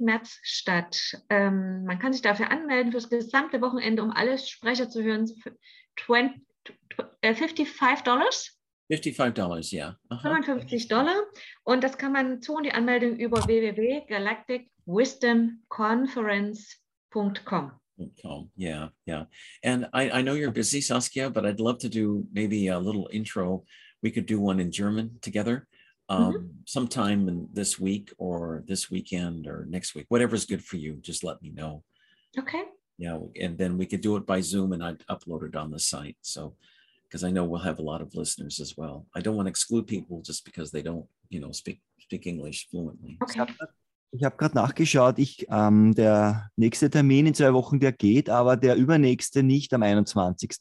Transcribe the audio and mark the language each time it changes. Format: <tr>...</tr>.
<de>März statt. Man kann sich dafür anmelden für das gesamte Wochenende, um alle Sprecher zu hören. $55? $55, ja. $55. Und das kann man tun, die Anmeldung über www.galacticwisdomconference.com.</de> <en>Yeah. And I know you're busy, Saskia, but I'd love to do maybe a little intro. We could do one in German together sometime in this week or this weekend or next week. Whatever's good for you, just let me know. Okay. Yeah, and then we could do it by Zoom and I'd upload it on the site. So, because I know we'll have a lot of listeners as well. I don't want to exclude people just because they don't, you know, speak English fluently. Okay.</en> <de>Ich habe gerade nachgeschaut, der nächste Termin in 2 Wochen, der geht, aber der übernächste nicht am 21.</de>